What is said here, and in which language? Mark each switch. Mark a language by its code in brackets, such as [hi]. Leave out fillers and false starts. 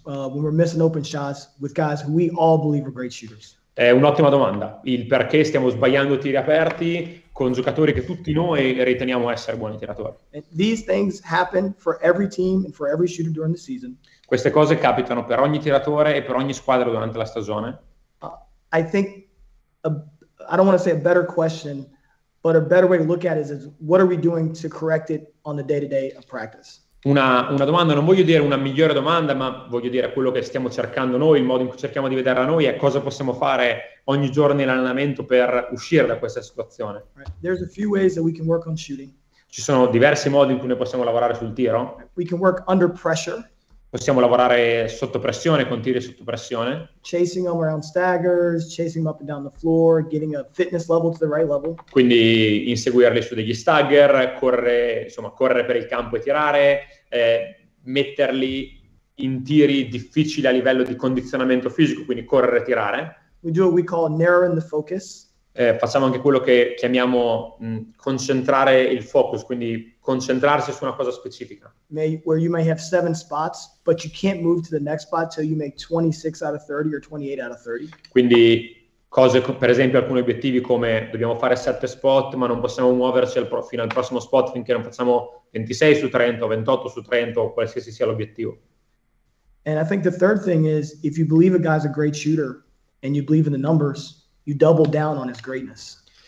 [en] When we're missing open shots with guys who we all believe are great shooters. [it] È un'ottima domanda. Il perché stiamo sbagliando tiri aperti con giocatori che tutti noi riteniamo essere buoni tiratori. [en] And these things happen for every team and for every shooter during the season. [it] Queste cose capitano per ogni tiratore e per ogni squadra durante la stagione. [en] I think, I don't want to say a better question, but a better way to look at it is what are we doing to correct it on the day-to-day of practice? [it] Una domanda, non voglio dire una migliore domanda, ma voglio dire quello che stiamo cercando noi, il modo in cui cerchiamo di vederla noi è cosa possiamo fare ogni giorno in allenamento per uscire da questa situazione. [en] There's a few ways that we can work on shooting. [it] Ci sono diversi modi in cui noi possiamo lavorare sul tiro. [en] We can work under pressure. [it] Possiamo lavorare sotto pressione, con tiri sotto pressione. [en] Chasing them around staggers, chasing them up and down the floor, getting a fitness level to the right level. [it] Quindi inseguirli su degli stagger, correre per il campo e tirare, metterli in tiri difficili a livello di condizionamento fisico, quindi correre e tirare. [en] We do what we call narrowing the focus. [it] Facciamo anche quello che chiamiamo concentrare il focus, quindi concentrarsi su una cosa specifica. [en] Where you may have 7 spots, but you can't move to the next spot till you make 26 out of 30 or 28 out of 30. [it] Quindi cose, per esempio, alcuni obiettivi come dobbiamo fare 7 spot, ma non possiamo muoverci fino al prossimo spot finché non facciamo 26 su 30 o 28 su 30 o qualsiasi sia l'obiettivo. [en] And I think the third thing is if you believe a guy's a great shooter and you believe in the numbers, you double down on his greatness.